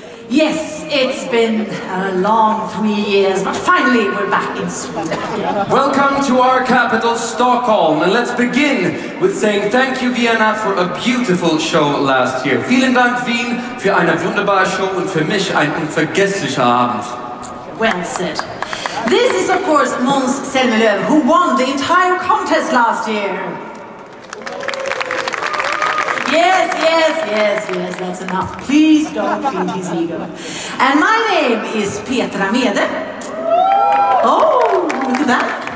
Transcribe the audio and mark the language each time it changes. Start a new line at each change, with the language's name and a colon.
English: Yes, it's been a long 3 years, but finally we're back in Sweden. Welcome to our capital, Stockholm, and let's begin with saying thank you, Vienna, for a beautiful show last year.
German: Vielen Dank, Wien, für eine wunderbare Show und für mich ein unvergesslicher Abend.
English: Well said. This is, of course, Måns Zelmerlöw, who won the entire contest last year. Yes, yes, yes, yes, that's enough. Please don't feed his ego. And my name is Petra Mede. Oh, look at that.